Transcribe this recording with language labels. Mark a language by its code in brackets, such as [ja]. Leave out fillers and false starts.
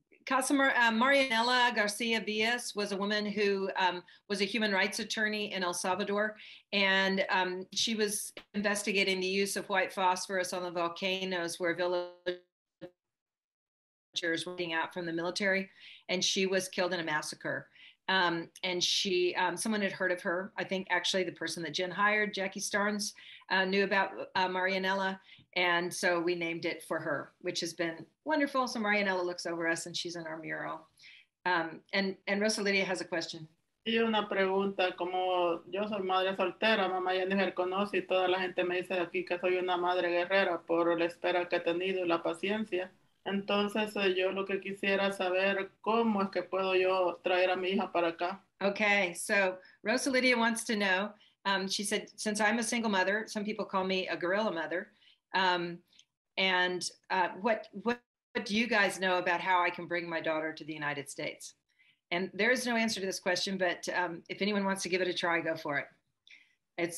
[en] Marianella Garcia Villas was a woman who was a human rights attorney in El Salvador, and she was investigating the use of white phosphorus on the volcanoes where villagers were getting out from the military, and she was killed in a massacre. And she, someone had heard of her. I think actually the person that Jen hired, Jackie Starnes, knew about Marianella. And so we named it for her, which has been wonderful. So Marianella looks over us and she's in our mural. And Rosa Lydia has a question. [es] Y una pregunta, como yo soy madre soltera, mamá ya ni me reconoce y toda la gente me dice aquí que soy una madre guerrera por la espera que he tenido y la paciencia. Entonces yo lo que quisiera saber, ¿cómo es que puedo yo traer a mi hija para acá? [en] Okay, so Rosa Lydia wants to know, she said, since I'm a single mother, some people call me a gorilla mother, what do you guys know about how I can bring my daughter to the United States? And there is no answer to this question, but if anyone wants to give it a try, go for it.